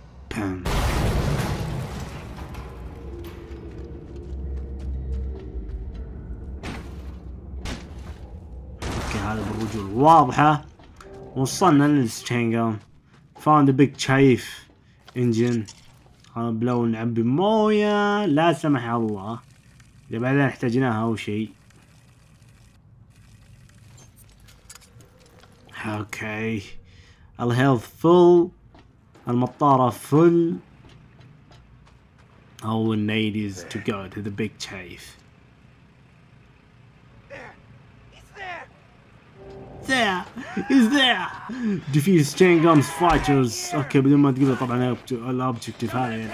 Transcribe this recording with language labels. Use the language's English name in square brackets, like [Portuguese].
[English] Bam. Okay, [Arabic] هذا بالرجوع واضحة. وصلنا للستينجر. [English] Found the big chief engine. [Arabic] بلون عبي موية لا سمح الله. اللي بعدين احتاجناها او شيء. [English] Okay الهيلث full المطارة full او النيد is to go to the big chief. He's there. Defeat Stangum's fighters. [Arabic] اوكي بدون ما تقبل طبعا الاوبجيكتيف هذا يعني.